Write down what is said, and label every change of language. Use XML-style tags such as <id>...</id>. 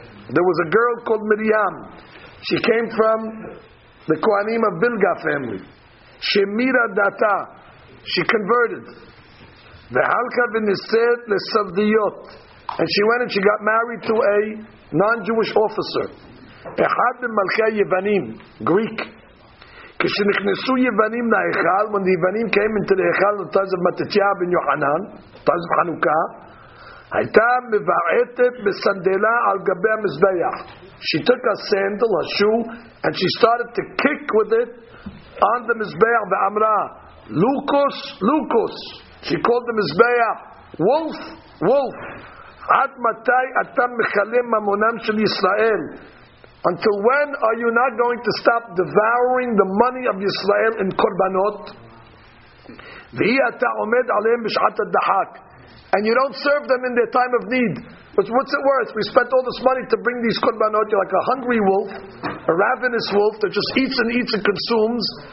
<en>There was a girl called Miriam. She came from the Kohanim of Bilga family.</en> <he>Shemira data.</he> <en>She converted.</en> <he>V'halka v'niset l'savdiyot.</he> <en>And she went and she got married to a non-Jewish officer.</en> <he>Echad b'malkei Yevanim, Greek. כשנכנסו יוונים להיכל,</he> <en>when the יוונים came into the היכל</en> <he>לתז of מתתיה בן יוחנן, תז of חנוכה, הייתה מבעטת בסנדלה על גבי המזבח.</he> <en>She took a sandal, a shoe, and she started to kick with it on the מזבח,</en> <he>ואמרה, לוקוס, לוקוס.</he> <en>She called the מזבח, wolf, wolf.</en> <he>עד מתי אתה מחלם ממונם של ישראל?</he> <en>Until when are you not going to stop devouring the money of Yisrael in Korbanot? And you don't serve them in their time of need. But what's it worth? We spent all this money to bring these Korbanot. You're like a hungry wolf, a ravenous wolf that just eats and eats and consumes.</en>